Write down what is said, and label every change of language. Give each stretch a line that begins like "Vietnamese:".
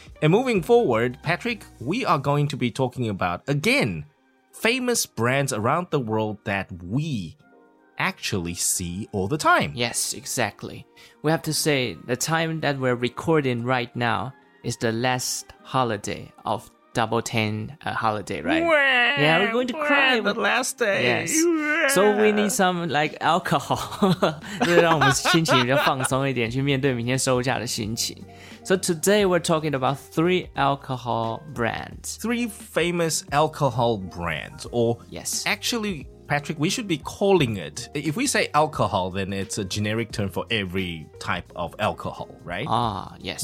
English: And moving forward, Patrick, we are going to be talking about, again, famous brands around the world that we actually see all the time. Yes, exactly. We have to say the time that we're recording right now,It's the last holiday of Double Ten holiday, right? Wah, yeah, we're going to cry. Wah, the last day. Yes. So we need some, like, alcohol.
Chinese: 就让我们心情比较放松一点，去面对明天收假的心情。
English: So today we're talking about three alcohol brands. Three famous alcohol brands. Or, yes. Actually, Patrick, we should be calling it. If we say alcohol, then it's a generic term for every type of alcohol, right? Ah, yes.